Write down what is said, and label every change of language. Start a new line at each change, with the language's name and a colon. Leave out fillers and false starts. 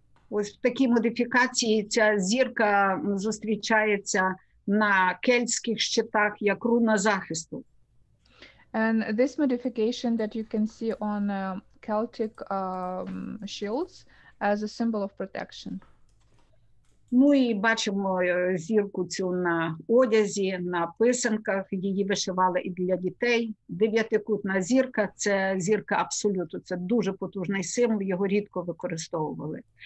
Ukrainian: Ось в такій модифікації ця зірка зустрічається на кельтських щитах як руна захисту.
English: And this modification that you can see on Celtic shields as a symbol of protection.
Ukrainian: Ну і бачимо зірку цю на одязі, на писанках, її вишивали і для дітей. Дев'ятикутна зірка – це зірка абсолюту, це дуже потужний символ, його рідко використовували.